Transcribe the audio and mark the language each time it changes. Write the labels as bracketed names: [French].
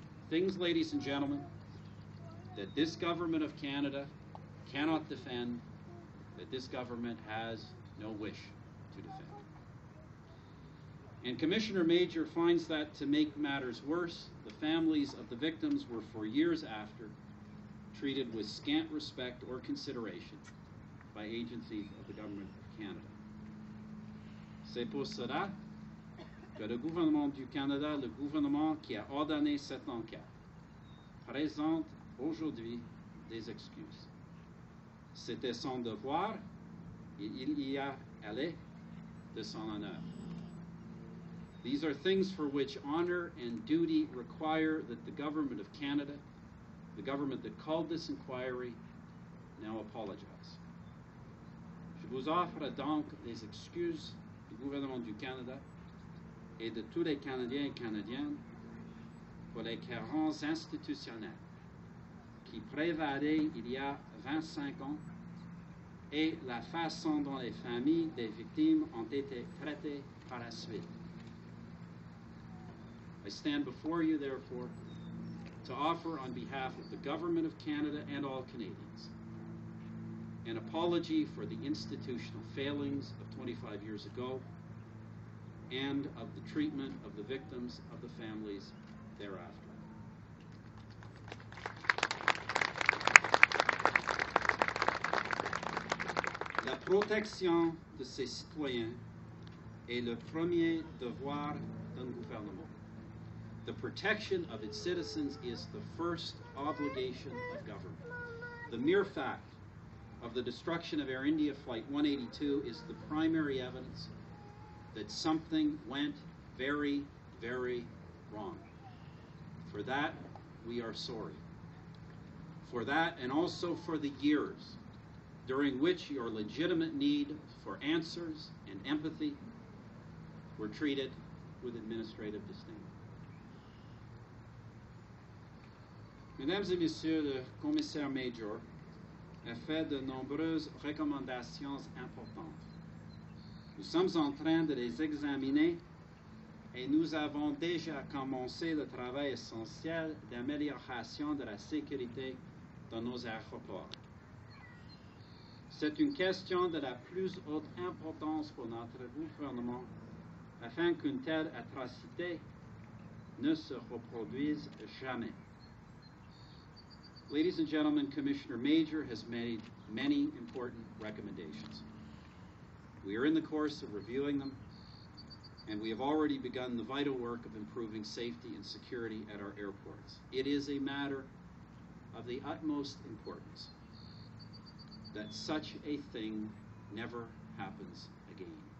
[English] Things, ladies and gentlemen, that this government of Canada cannot defend, that this government has no wish to defend. And Commissioner Major finds that, to make matters worse, the families of the victims were, for years after, treated with scant respect or consideration by agencies of the Government of Canada. [French] C'est pour cela que le gouvernement du Canada, le gouvernement qui a ordonné cette enquête, présente aujourd'hui des excuses. C'était son devoir, et il y a allé de son honneur. [English] These are things for which honor and duty require that the government of Canada, the government that called this inquiry, now apologize. [French] Je vous offre donc les excuses du gouvernement du Canada et de tous les Canadiens et Canadiennes pour les carences institutionnelles qui prévalaient il y a 25 ans et la façon dont les familles des victimes ont été traitées par la suite. [English] I stand before you, therefore, to offer on behalf of the Government of Canada and all Canadians an apology for the institutional failings of 25 years ago and of the treatment of the victims of the families thereafter. [French] La protection de ses citoyens est le premier devoir d'un gouvernement. [English] The protection of its citizens is the first obligation of government. The mere fact of the destruction of Air India Flight 182 is the primary evidence that something went very, very wrong. For that, we are sorry. for that and also for the years during which your legitimate need for answers and empathy were treated with administrative disdain. [French] Mesdames et Messieurs, le commissaire major a fait de nombreuses recommandations importantes. Nous sommes en train de les examiner et nous avons déjà commencé le travail essentiel d'amélioration de la sécurité dans nos aéroports. C'est une question de la plus haute importance pour notre gouvernement afin qu'une telle atrocité ne se reproduise jamais. [English] Ladies and gentlemen, Commissioner Major has made many important recommendations. We are in the course of reviewing them, and we have already begun the vital work of improving safety and security at our airports. It is a matter of the utmost importance that such a thing never happens again.